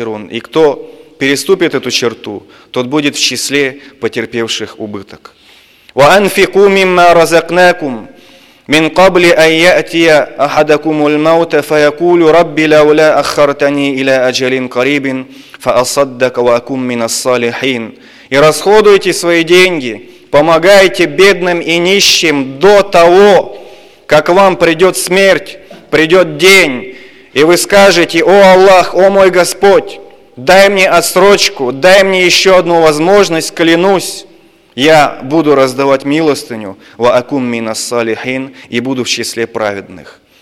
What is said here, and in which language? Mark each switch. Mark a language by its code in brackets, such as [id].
[ru] И кто переступит эту черту, тот будет в числе потерпевших убыток. [ar] وَأَنْفِقُوا مِمَّا رَزَقْنَاكُمْ من قبل أن يأتي أحدكم الموت فيقول رب لولا أخرتني إلى أجل قريب فأصدق وأكون من الصالحين. [ru] И расходуйте свои деньги, помогайте бедным и нищим до того, как вам придет смерть, придет день, и вы скажете, о Аллах, о мой Господь, дай мне отсрочку, дай мне еще одну возможность, клянусь, я буду раздавать милостыню, [ar] ва акум минас салихин, [ru] и буду в числе праведных.